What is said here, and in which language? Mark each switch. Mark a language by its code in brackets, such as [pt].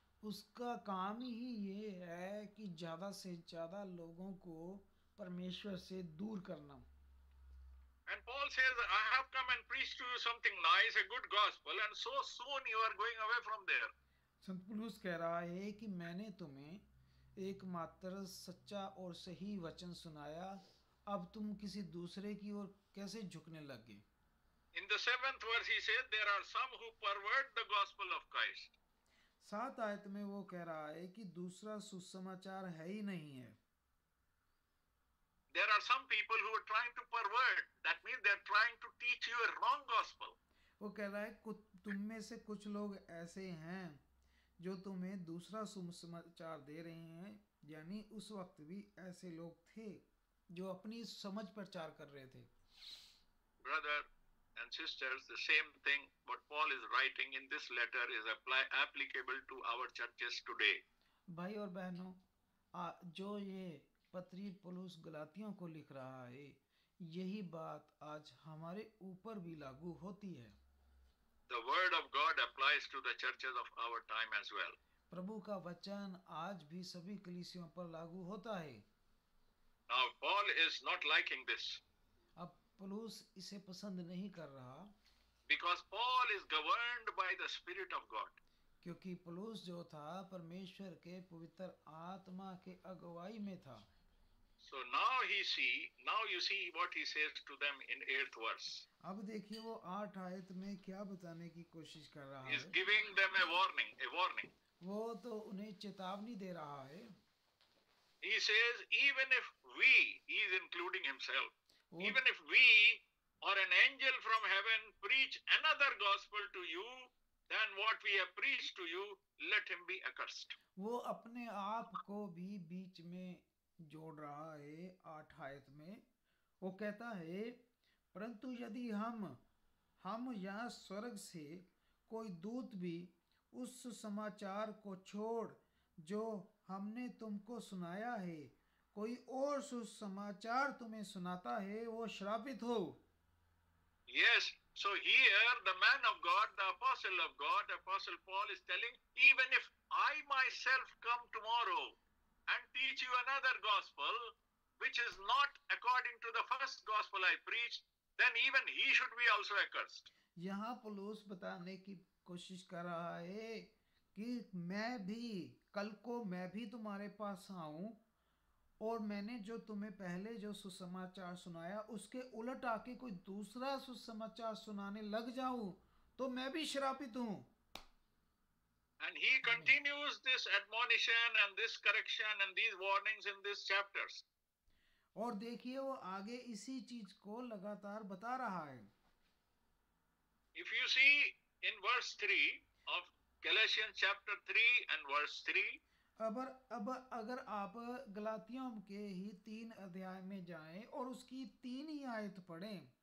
[hi] उसका काम ही ये है कि ज्यादा से ज्यादा लोगों को परमेश्वर से दूर करना. [en] And Paul says, I have come and preached to you something nice, a good gospel, and so soon you are going away from there. [hi] संत पौलुस कह रहा है कि मैंने तुम्हें एकमात्र सच्चा और सही वचन सुनाया, अब तुम किसी दूसरे की ओर कैसे झुकने लग गए? [en] In the seventh verse he says, there are some who pervert the gospel of Christ. [hi] सात आयत में वो कह रहा है कि दूसरा सुसमाचार है ही नहीं है. [en] There are some people who are trying to pervert. That means they are trying to teach you a wrong gospel. [hi] वो कह रहा है तुम में से कुछ लोग ऐसे हैं जो तुम्हें दूसरा सुसमाचार दे रहे हैं, यानी उस वक्त भी ऐसे लोग थे जो अपनी समझ प्रचार कर रहे थे. [en] Brother and sisters, the same thing what Paul is writing in this letter is applicable to our churches today. [hi] भाई और बहनों, जो ये पत्री पौलुस गलातियों को लिख रहा है, यही बात आज हमारे ऊपर भी लागू होती है. [en] The word of God applies to the churches of our time as well. [hi] प्रभु का वचन आज भी सभी कलीसियों पर लागू होता है. [en] Now Paul is not liking this. [hi] अब पौलुस इसे पसंद नहीं कर रहा. [en] Because Paul is governed by the Spirit of God. [hi] क्योंकि पौलुस जो था परमेश्वर के पवित्र आत्मा के अगुवाई में था. [en] So now you see what he says to them in 8th verse. [hi] अब देखिए वो 8 आयत में क्या बताने की कोशिश कर रहा है. [en] He is giving them a warning. [hi] वो तो उन्हें चेतावनी दे रहा है. [en] He says even if we, he is including himself, even if we or an angel from heaven preach another gospel to you than what we have preached to you, let him be accursed. [hi] वो अपने आप को भी बीच में जोड़ रहा है 8 आयत में. वो कहता है परंतु यदि हम या स्वर्ग से कोई दूत भी उस समाचार को छोड़ जो हमने तुमको सुनाया है कोई और सुसमाचार तुम्हें सुनाता है, वो श्रापित हो. [en] Yes, so here the man of God, the apostle of God, apostle Paul is telling, even if I myself come tomorrow and teach you another gospel which is not according to the first gospel I preached, then even he should be also accursed. [hi] यहाँ पौलुस बताने की कोशिश कर रहा है कि मैं भी कल को मैं भी तुम्हारे पास आऊं और मैंने जो तुम्हें पहले जो सुसमाचार सुनाया उसके उलट आके कोई दूसरा सुसमाचार सुनाने लग जाऊं तो मैं भी श्रापित हूं. [en] And he continues this admonition and this correction and these warnings in these chapters. [hi] और देखिए वो आगे इसी चीज को लगातार बता रहा है. [en] If you see in verse 3 of Galatians chapter 3 and verse 3, [hi] अब अगर आप गलातियों के ही 3 अध्याय में जाएं और उसकी 3 ही आयत पढ़ें.